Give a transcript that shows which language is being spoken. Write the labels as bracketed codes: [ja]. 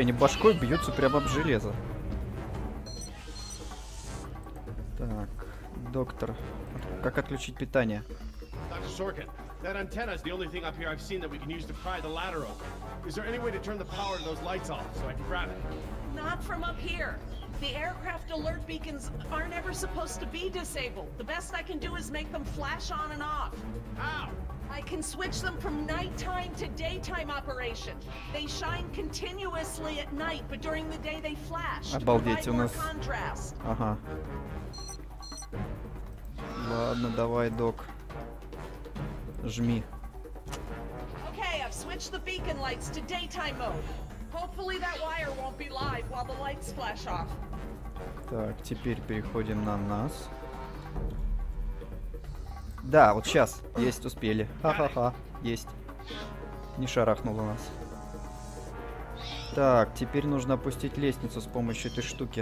[ru] Они башкой бьются прямо об железо. Так. Доктор, как отключить питание? Доктор Соркин, эта антенна — это единственная вещь, которую я видел, которую мы можем использовать, чтобы открыть ладеру. Есть ли какой-то способ отключить power на эти лампы, чтобы я мог взять их? [en] Not from up here. The aircraft alert beacons aren't ever supposed to be disabled. The best I can do is make them flash on and off. How? I can switch them from nighttime to daytime operation. They shine continuously at night, but during the day they flash. [ru] Обалдеть, у нас. Contrast. Ага. Ладно, давай, док. Жми. [en] Okay, I've switched the beacon lights to daytime mode. Hopefully that wire won't be live while the lights flash off. [ru] Так, теперь переходим на нас. Да, вот сейчас. Есть, успели. Ха-ха-ха, есть. Не шарахнуло нас. Так, теперь нужно опустить лестницу с помощью этой штуки.